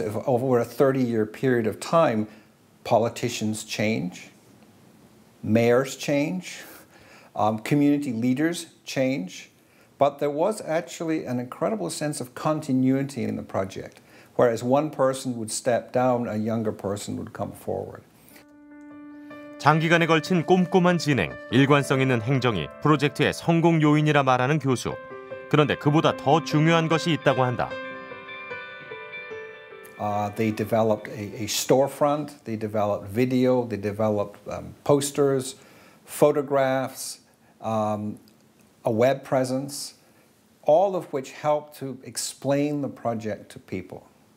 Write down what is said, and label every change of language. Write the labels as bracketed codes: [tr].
[en] Over a 30-year period of time, politicians change, mayors change, community leaders change. But there was actually an incredible sense of continuity in the project. Whereas one person would step down, a younger person would come forward. [ko] 장기간에 걸친 꼼꼼한 진행, 일관성 있는 행정이 프로젝트의 성공 요인이라 말하는 교수. 그런데 그보다 더 중요한 것이 있다고 한다. [en] They developed a storefront, they developed video, they developed posters, photographs, a web presence, all of which helped to explain the project to people.